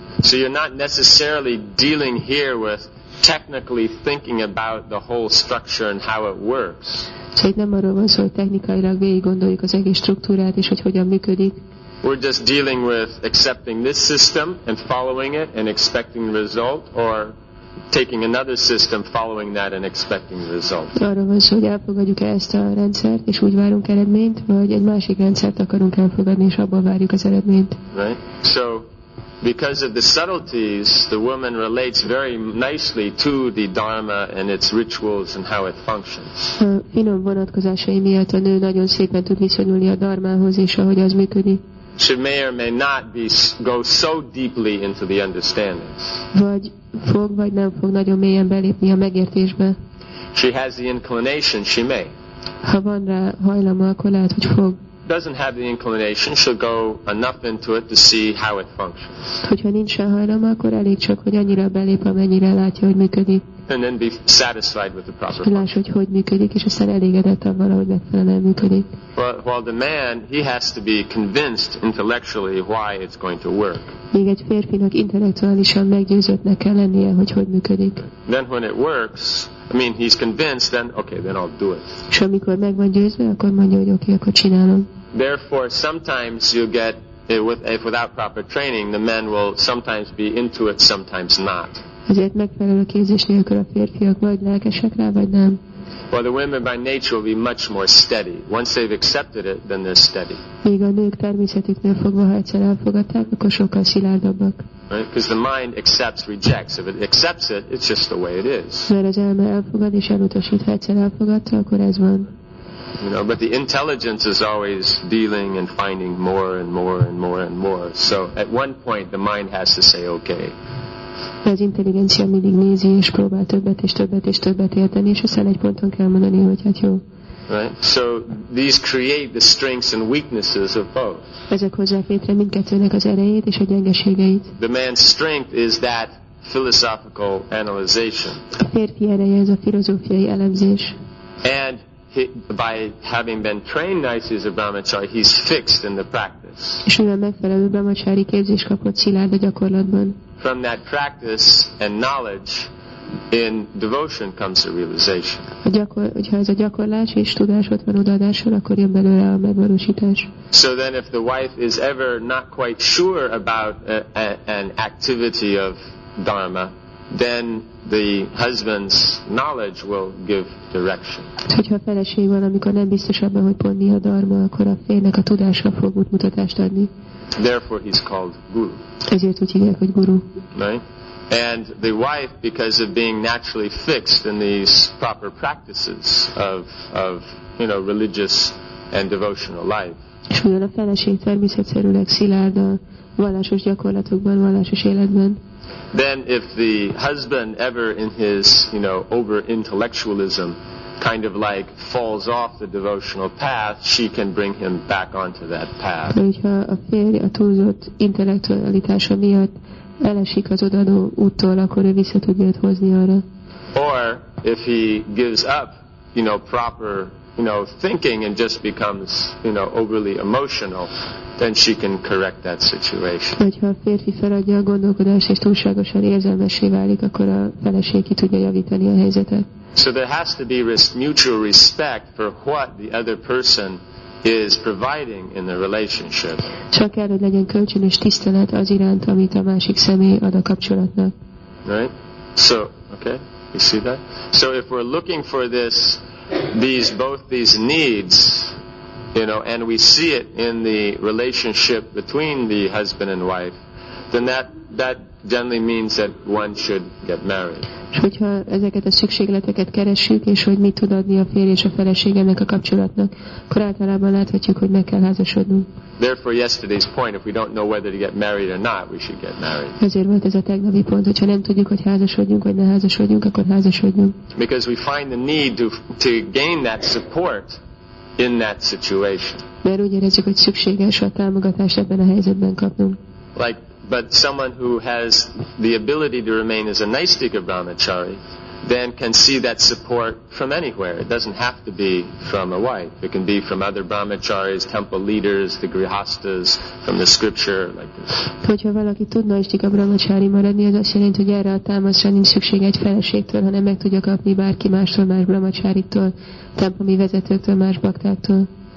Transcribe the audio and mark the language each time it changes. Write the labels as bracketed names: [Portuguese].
[English] So you're not necessarily dealing here with technically thinking about the whole structure and how it works. [Hungarian] So itt nem arról van szó, hogy technikailag végig gondoljuk az egész struktúrát és hogy hogyan működik. [English] We're just dealing with accepting this system and following it and expecting the result, or taking another system, following that and expecting the result. [Hungarian] Arról van szó, hogy elfogadjuk ezt a rendszert és úgy várunk eredményt, vagy egy másik rendszert akarunk elfogadni és abban várjuk az eredményt. [English] Right? So because of the subtleties, the woman relates very nicely to the Dharma and its rituals and how it functions. [Hungarian] A finom vonatkozásai miatt a nő nagyon szépen tud viszonyulni a Dharmához és ahogy az működik. [English] She may or may not go so deeply into the understandings. [Hungarian] Vagy fog, vagy nem fog nagyon mélyen belépni a megértésbe. [English] She has the inclination, she may. [Hungarian] Ha van rá hajlama, akkor lehet, hogy fog. [English] Doesn't have the inclination, she'll go enough into it to see how it functions. [Hungarian] Hogyha nincsen hajlama, akkor elég csak, hogy annyira belép, amennyire látja, hogy működik. [English] And then be satisfied with the proper. [Hungarian] Láss, hogy működik, és aztán elégedett avval, hogy megfelelően működik. [English] While the man, he has to be convinced intellectually why it's going to work. [Hungarian] Még egy férfinak intellektuálisan meggyőzöttnek kell lennie, hogy működik. [English] Then when it works, I mean, he's convinced, then okay, then I'll do it. [Hungarian] És amikor meg van győzve, akkor mondja, hogy oké, akkor csinálom. [English] Therefore, sometimes you get, if without proper training, the men will sometimes be into it, sometimes not. [Hungarian] Ezért megfelelő képzés nélkül a férfiak vagy lelkesek rá, vagy nem. [English] Well, the women by nature will be much more steady. Once they've accepted it, then they're steady. [Hungarian] Míg a nők természetüknél fogva, ha egyszer elfogadták, akkor sokkal szilárdabbak. [English] Right? Because the mind accepts, rejects. If it accepts it, it's just the way it is. [Hungarian] Mert az elme elfogad és elutasít, ha egyszer elfogadta, akkor ez van. [English] You know, but the intelligence is always dealing and finding more and more and more and more. So at one point, the mind has to say, okay. [Hungarian] az intelligencia mindig nézi és próbál többet és többet és többet érteni, és aztán egy ponton kell mondani, hogy hát jó. [English] Right? So these create the strengths and weaknesses of both. [Hungarian] Ezek hozzák létre mindkettőnek az erejét és a gyengeségeit. [English] The man's strength is that philosophical analyzation. [Hungarian] A férfi ereje ez a filozófiai elemzés. [English] And by having been trained nicely as a brahmachari, he's fixed in the practice. [Hungarian] És mivel megfelelő brahmachari képzést kapott, szilárd a gyakorlatban. [English] From that practice and knowledge, in devotion comes the realization. [Hungarian] Hogyha ez a gyakorlás és tudás ott van odaadásul, akkor jön belőle a megvalósítás. [English] So then if the wife is ever not quite sure about an activity of dharma, then the husband's knowledge will give direction. [Hungarian] Hogyha a feleség van, amikor nem biztos abban, hogy pont mi a dharma, akkor a férjnek a tudása fog útmutatást adni. [English] Therefore he's called guru. [Hungarian] Ezért úgy hívják, hogy guru. [English] Right? And the wife, because of being naturally fixed in these proper practices of you know, religious and devotional life. [Hungarian] És mivel a feleség természetszerűleg szilárd a vallásos gyakorlatokban, vallásos életben. [English] Then if the husband ever in his, you know, over intellectualism kind of like falls off the devotional path, she can bring him back onto that path. [Hungarian] De hogyha a férj a túlzott intellektualitása miatt elesik az odaadó úttól, akkor ő vissza tudja őt hozni arra. [English] Or if he gives up, you know, proper, you know, thinking and just becomes, you know, overly emotional, then she can correct that situation. [Hungarian] Hogyha a férfi feladja a gondolkodást és túlságosan érzelmessé válik, akkor a feleség ki tudja javítani a helyzetet. [English] So there has to be mutual respect for what the other person is providing in the relationship. [Hungarian] Csak kell, hogy legyen kölcsönös tisztelet az iránt, amit a másik személy ad a kapcsolatnak. [English] Right? So, okay, you see that? So if we're looking for this, these both these needs, you know, and we see it in the relationship between the husband and wife, then that generally means that one should get married. [Hungarian] És hogyha ezeket a szükségleteket keressük, és hogy mit tud adni a férj és a feleségemnek a kapcsolatnak, akkor általában láthatjuk, hogy meg kell házasodnunk. [English] Therefore yesterday's point, if we don't know whether to get married or not, we should get married. [Hungarian] Ezért volt ez a tegnapi pont, hogyha nem tudjuk, hogy házasodjunk vagy ne házasodjunk, akkor házasodjunk. [English] Because we find the need to gain that support in that situation. [Hungarian] Mert úgy érezzük, hogy szükséges a támogatást ebben a helyzetben kapnunk. [English] Like, but someone who has the ability to remain as a naisthika brahmachari then can see that support from anywhere. It doesn't have to be from a wife. It can be from other brahmacharis, temple leaders, the grihasthas, from the scripture, like this. [Hungarian] Hogyha valaki tud naisthika brahmachari maradni, az azt jelenti, hogy erre a támaszra nincs szükség egy feleségtől, hanem meg tudja kapni bárki másról, más brahmacharitól, templomi vezetőtől, más baktáktól.